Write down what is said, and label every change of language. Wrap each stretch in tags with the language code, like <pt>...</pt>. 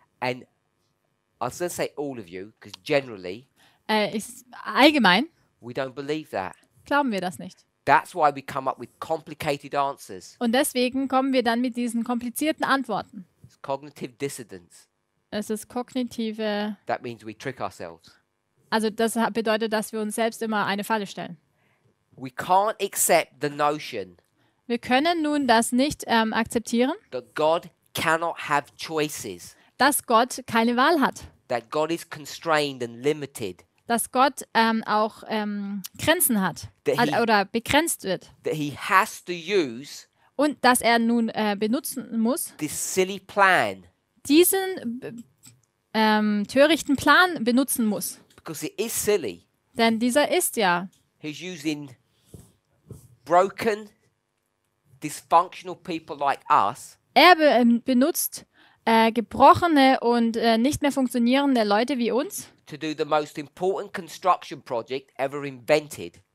<en>And I was going to say all of you, because generally,</en> <de>allgemein,</de> <en>we don't believe that.</en> <de>Glauben wir das nicht.</de> <en>That's why we come up with complicated answers.</en> <de>Und deswegen kommen wir dann mit diesen komplizierten Antworten.</de> <en>Cognitive dissonance.</en> <de>Es ist kognitive.</de> <en>That means we trick ourselves.</en> <de>Also das bedeutet, dass wir uns selbst immer eine Falle stellen.</de> <en>We can't accept the notion.</en> <de>Wir können nun das nicht akzeptieren.</de> <en>That God cannot have choices.</en> <de>Dass Gott keine Wahl hat.</de> <en>That God is constrained and limited.</en> <de>Dass Gott auch Grenzen hat oder begrenzt wird.</de> <en>That he has to use.</en> <de>Und dass er nun benutzen muss,</de> <en>this silly plan,</en> <de>diesen törichten Plan benutzen muss.</de> <en>Because it is silly.</en> <de>Denn dieser ist ja.</de> <en>He's using broken, dysfunctional people like us,</en> <de>er benutzt gebrochene und nicht mehr funktionierende Leute wie uns,</de> <en>to do the most important construction project ever invented.</en>